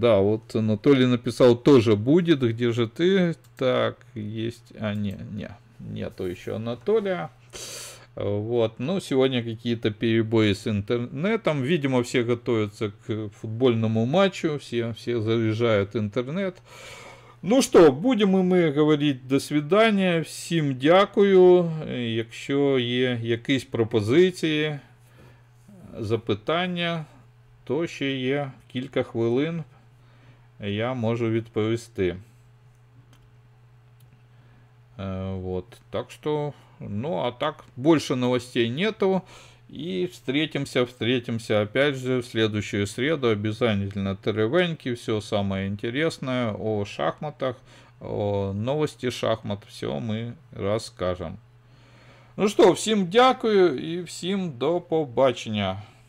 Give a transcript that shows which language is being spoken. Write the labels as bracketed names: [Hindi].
[Russian] Да, вот Анатолий написал, тоже будет, где же ты? Так, есть, а не. Нету еще Анатолия. Вот, ну, сегодня какие-то перебои с интернетом. Видимо, все готовятся к футбольному матчу. Все заряжают интернет. [Ukrainian] Ну що, будемо ми говорити [Russian] до свидання. [Ukrainian] Всім дякую. Якщо є якісь пропозиції, запитання, то ще є кілька хвилин, я можу відповісти. [Russian] Вот. Так что, ну а так, больше новостей нету. И встретимся опять же в следующую среду. Обязательно деревеньки, все самое интересное о шахматах, о новости шахмат, все мы расскажем. Ну что, всем [Ukrainian] дякую [Russian] и всем [Ukrainian] до побачення.